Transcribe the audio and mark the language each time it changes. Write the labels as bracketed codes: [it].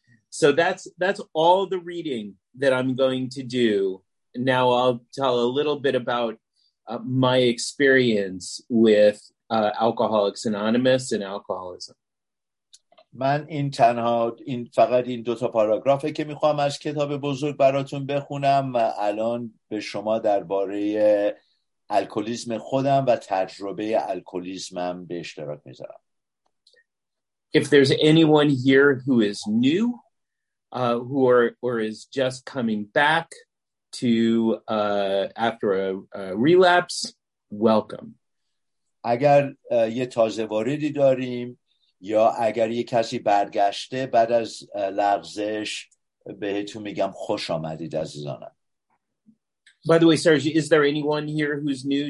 [en] So that's all the reading that I'm going to do. Now I'll tell a little bit about my experience with Alcoholics Anonymous and alcoholism. [fa] من این تنها این فقط این دو تا پاراگرافی که میخوام از کتاب بزرگ براتون بخونم الان به شما درباره الکلیسم خودم و تجربه الکلیسمم به اشتراک میذارم. [en] If there's anyone here who is new or is just coming back to after a relapse, welcome. [fa] اگر یه تازه واردی داریم یا اگر یه کسی برگشته بعد از لغزش, بهتون میگم خوش آمدید عزیزانم. [en] By the way, Serge, is there anyone here who's new?